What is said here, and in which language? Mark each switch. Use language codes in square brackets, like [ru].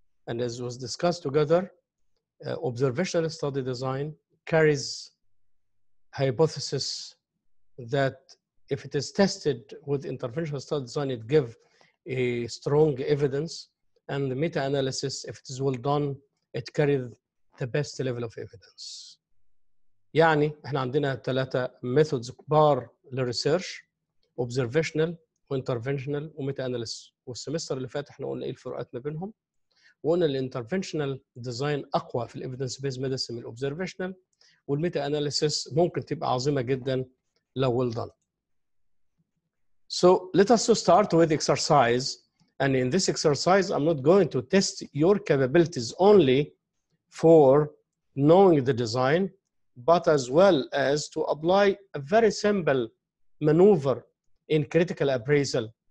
[en] And as was discussed together, observational study design carries hypothesis that if it is tested with interventional study design, it gives a strong evidence, and the meta-analysis, if it is well done, it carries the best level of evidence. [ar] يعني احنا عندنا ثلاثة methods كبار للresearch, observational, interventional, meta-analysis. والسمستر اللي فات احنا قلنا ايه الفروقات ما بينهم. وقلنا الinterventional design اقوى في evidence-based medicine من observational, والmeta-analysis ممكن تبقى عظيمة جدا لو [en] well done. So let us start with exercise. And in this exercise, I'm not going to test your capabilities only for knowing the design, but as well as to apply a very simple maneuver in critical appraisal.